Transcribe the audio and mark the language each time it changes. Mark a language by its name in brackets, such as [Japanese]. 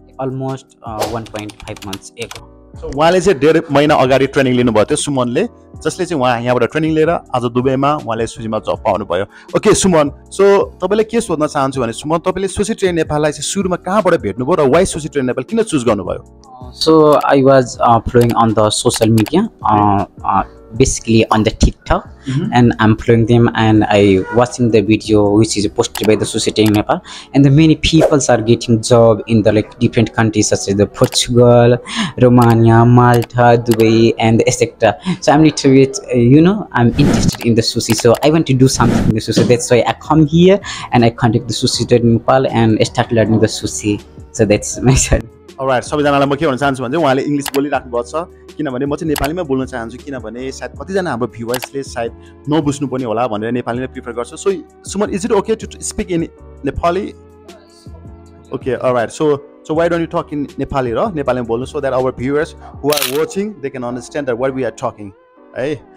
[English] Almost 1.5 months एक। [Nepali] So उहाँले चाहिँ 1.5 महिना अगाडि ट्रेनिङ लिनुभएको थियो सुमनले, जसले चाहिँ उहाँ यहाँबाट ट्रेनिङ लिएर आज दुबईमा उहाँले सुशीलमा जब पाउनुभयो। ओके सुमन, सो तपाईँले के सोध्न चाहन्छु भने सुमन, तपाईँले सुशील ट्रेनिङ नेपाललाई चाहिँ सुरुमा कहाँबाट भेट्नुभयो र वाइ सुशील ट्रेनिङ नेपाल किन चुज गर्नुभयो? [English] So I was following on the social media, basically on the TikTok, and I'm following them and I watching the video which is posted by the Sushil Training Nepal, and the many people are getting job in the like different countries such as the Portugal, Romania, Malta, Dubai and etc. So I'm little bit I'm interested in the sushi, so I want to do something in the sushi. That's why I come here and I contact the Sushil Training Nepal and start learning the sushi. So that's my son. [Nepali] All right, सबैजनालाई म के भन्न चाहन्छु भने उहाँले English बोलिराख्नु भएको छ, किनभने म चाहिँ नेपालीमा बोल्न चाहन्छु, किनभने सायद कतिजना हाम्रो भ्युवर्सले सायद नबुझ्नु पनि होला भनेर नेपाली नै प्रिफर गर्छ। [English] So Suman, is it okay to speak in Nepali? Okay, alright, so why don't you talk in Nepali [Nepali] र नेपालीमा बोल्नु, [English] So that our viewers who are watching they can understand the word we are talking है।